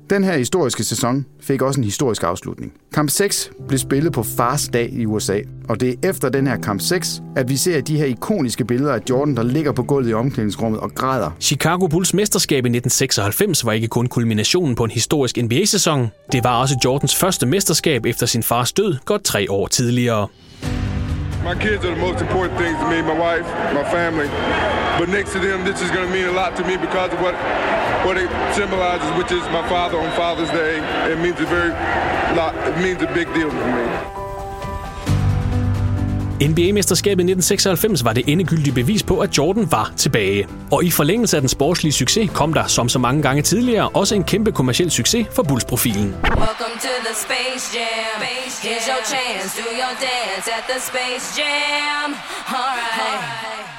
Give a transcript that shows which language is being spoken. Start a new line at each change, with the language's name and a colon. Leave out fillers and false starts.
Danish: Den her historiske sæson fik også en historisk afslutning. Kamp 6 blev spillet på fars dag i USA, og det er efter den her kamp 6, at vi ser de her ikoniske billeder af Jordan, der ligger på gulvet i omklædningsrummet og græder. Chicago Bulls mesterskab i 1996 var ikke kun kulminationen på en historisk NBA-sæson. Det var også Jordans første mesterskab efter sin fars død godt 3 år tidligere.
English: My kids are the most important things to me, my wife, my family. But next to them, this is going to mean a lot to me because of what it symbolizes, which is my father on Father's Day. It means a very lot, it means a big deal to me.
Danish: NBA-mesterskabet 1996 var det endegyldige bevis på, at Jordan var tilbage. Og i forlængelse af den sportslige succes kom der, som så mange gange tidligere, også en kæmpe kommerciel succes for Bulls-profilen.
English: Welcome to the Space Jam. Space Jam. Here's your chance. Do your dance at the Space Jam. All right.